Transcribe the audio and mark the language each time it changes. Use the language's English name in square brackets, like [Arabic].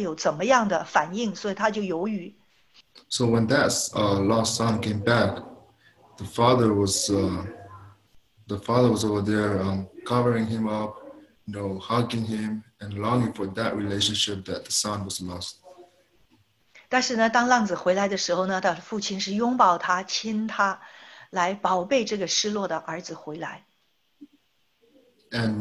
[Chinese] 就讲到那个浪子呢，当他在世上呢，恢复他的生命之后，他就想念回家，但是他不晓得父亲会有怎么样的反应，所以他就犹豫。So [English] when that lost son came back, the father was over there covering him up, hugging him and longing for that relationship that the son was lost. [Chinese] 但是呢，当浪子回来的时候呢，他的父亲是拥抱他、亲他，来宝贝这个失落的儿子回来。And